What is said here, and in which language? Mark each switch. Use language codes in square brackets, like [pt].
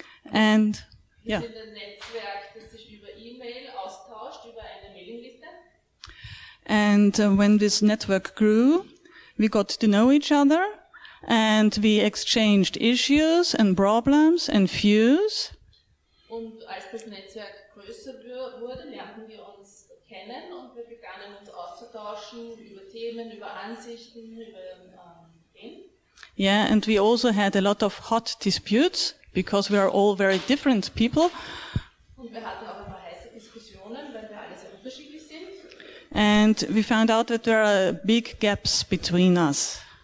[en] And yeah. And when this network grew, we got to know each other, and we exchanged issues and problems and views. [de] Und als das Netzwerk größer wurde, lernten wir uns kennen und wir begannen uns auszutauschen über Themen, über Ansichten, über Themen. [en] Yeah, and we also had a lot of hot disputes because we are all very different people. [de] Und wir hatten auch ein paar heiße Diskussionen, weil wir alle sehr unterschiedlich sind. [en] And we found out that there are big gaps between us.